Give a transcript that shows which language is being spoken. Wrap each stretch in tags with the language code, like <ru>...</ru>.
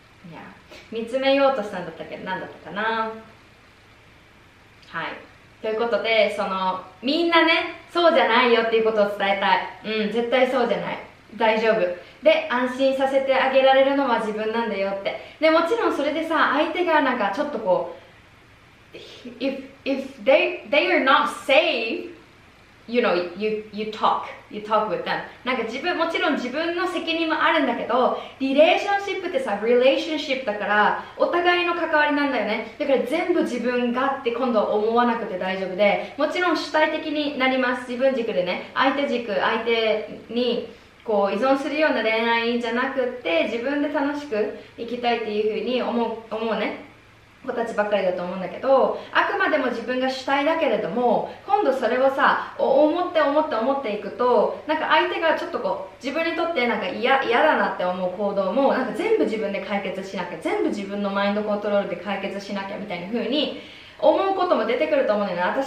<ja>いや、見つめようとしたんだったけど、なんだったかな。はい。ということで、その、みんなね、そうじゃないよっていうことを伝えたい。うん、絶対そうじゃない。大丈夫。で、安心させてあげられるのは自分なんだよって。で、もちろんそれでさ、相手がなんかちょっとこう、</ja> <en>if they are not safe, you know, you talk with them.</en> <ja>なんか自分、もちろん自分の責任もあるんだけど、リレーションシップってさ、リレーションシップだから、お互いの関わりなんだよね。だから全部自分がって今度思わなくて大丈夫で、もちろん主体的になります。自分軸でね、相手軸、相手に、こう依存するような恋愛じゃなくて、自分で楽しく生きたいっていう風に思うね、子たちばっかりだと思うんだけど、あくまでも自分が主体だけれども、今度それをさ、思っていくと、なんか相手がちょっとこう自分にとってなんか嫌だなって思う行動も、なんか全部自分で解決しなきゃ、全部自分のマインドコントロールで解決しなきゃみたいな風に思うことも出てくると思うんだよね。</ja>